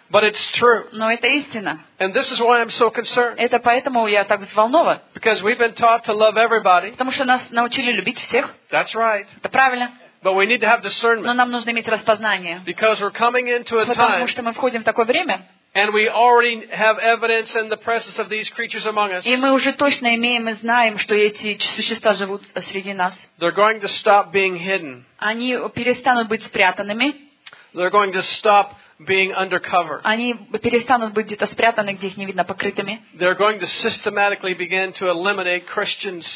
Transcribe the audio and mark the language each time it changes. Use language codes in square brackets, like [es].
[en] But it's true. [ru] Но это истина. [en] And this is why I'm so concerned. [ru] Это поэтому я так взволнован. [en] Because we've been taught to love everybody. [ru] Потому что нас научили любить всех. [en] That's right. [ru] Это правильно. [en] But we need to have discernment. [ru] Но нам нужно иметь распознание. [en] Because we're coming into a time. [ru] Потому что мы входим в такое время. [en] And we already have evidence in the presence of these creatures among us. [ru] И мы уже точно имеем и знаем, что эти существа живут среди нас. [en] They're going to stop being hidden. [ru] Они перестанут быть спрятанными. [en] They're going to stop being undercover. [ru] Они перестанут быть где-то спрятаны, где их не видно, покрытыми. [en] They're going to systematically begin to eliminate Christians.